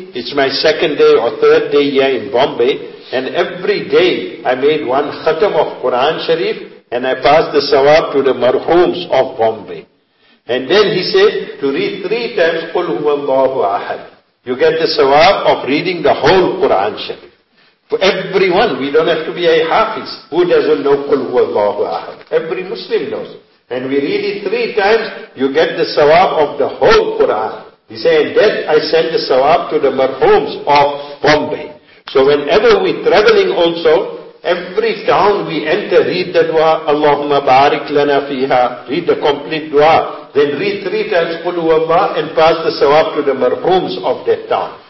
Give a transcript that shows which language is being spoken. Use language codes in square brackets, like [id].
[en] It's my second day or third day here in Bombay, and every day I made one khatam of Quran Sharif, and I passed the sawab to the marhums of Bombay. And then he said, to read three times, [ar] قُلْ هُوَ اللَّهُ أَحَدْ. [en] You get the sawab of reading the whole Qur'an Sharif. For everyone, we don't have to be a hafiz. Who doesn't know [ar] قُلْ هُوَ اللَّهُ أَحَدْ? [en] Every Muslim knows. And we read it three times, you get the sawab of the whole Qur'an. He said, and then I send the sawab to the marhums of Bombay. So whenever we're traveling also, every town we enter, read the dua, Allahumma barik lana fiha, read the complete dua, then read three times qul huwa Allah and pass the sawab to the marhums of that town.